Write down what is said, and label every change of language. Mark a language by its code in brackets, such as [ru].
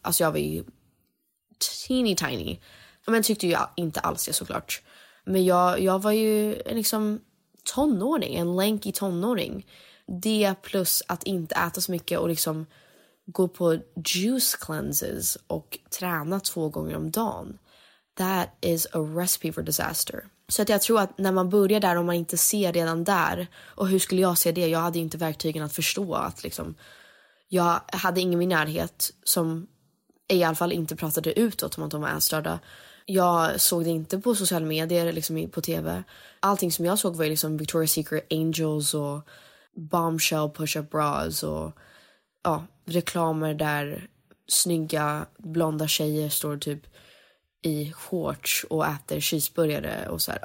[sv] Alltså jag var ju [en] teeny tiny. [sv] Men tyckte jag inte alls det, såklart. Men jag var ju liksom tonåring, en lanky tonåring. Det plus att inte äta så mycket och liksom gå på juice cleanses och träna 2 gånger om dagen. [en] That is a recipe for disaster. [sv] Så att jag tror att när man börjar där och man inte ser redan där, och hur skulle jag se det? Jag hade inte verktygen att förstå att liksom, jag hade ingen i min närhet som i alla fall inte pratade utåt om att de var ätstörda. Jag såg det inte på sociala medier, liksom på tv. Allting som jag såg var liksom Victoria's Secret Angels och Bombshell push-up bras och ja, reklamer där snygga blonda tjejer står typ i shorts och äter cheeseburgare och så här.